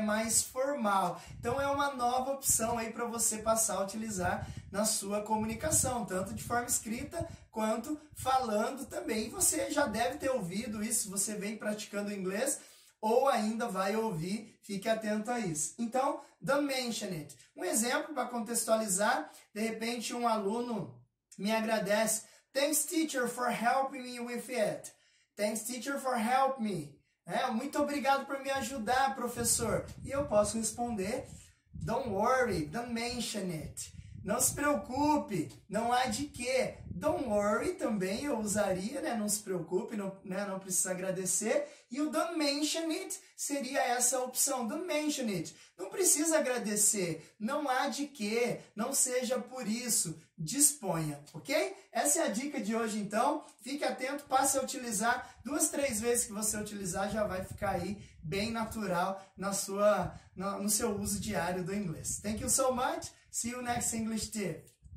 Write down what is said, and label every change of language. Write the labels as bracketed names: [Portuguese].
[Portuguese] Mais formal. Então é uma nova opção aí para você passar a utilizar na sua comunicação, tanto de forma escrita quanto falando também. Você já deve ter ouvido isso, você vem praticando inglês, ou ainda vai ouvir, fique atento a isso. Então, [English] don't mention it. [Portuguese] Um exemplo para contextualizar, de repente um aluno me agradece. [English] Thanks teacher for helping me with it. Thanks teacher for help me. [Portuguese] É, muito obrigado por me ajudar, professor. E eu posso responder, [English] don't worry, don't mention it. [Portuguese] Não se preocupe, não há de quê. [English] Don't worry [Portuguese] também eu usaria, né? Não se preocupe, não, né? Não precisa agradecer. [English] E o don't mention it [Portuguese] seria essa opção, [English] don't mention it. [Portuguese] Não precisa agradecer, não há de quê, não seja por isso, disponha, ok? Essa é a dica de hoje então, fique atento, passe a utilizar. Duas, três vezes que você utilizar já vai ficar aí bem natural no seu uso diário do inglês. [English] Thank you so much. See you next English tip.